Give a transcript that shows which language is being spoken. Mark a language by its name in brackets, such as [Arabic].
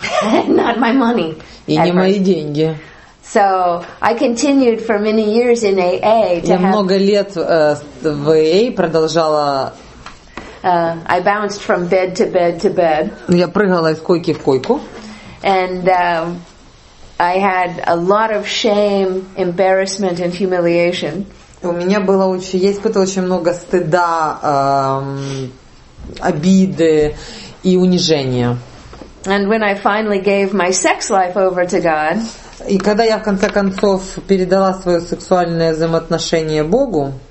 [English] Not my money. [Russian] И не мои деньги. [English] So I continued for many years in AA. [Russian] Я много лет в AA продолжала. [English] I bounced from bed to bed to bed. [Russian] Я прыгала из койки в койку. [English] And I had a lot of shame, embarrassment, and humiliation. [Russian] У меня было очень, я испытывала очень много стыда, обиды и унижения. [English] And when I finally gave my sex life over to God, [Russian] и когда я в конце концов передала свое сексуальное взаимоотношение Богу,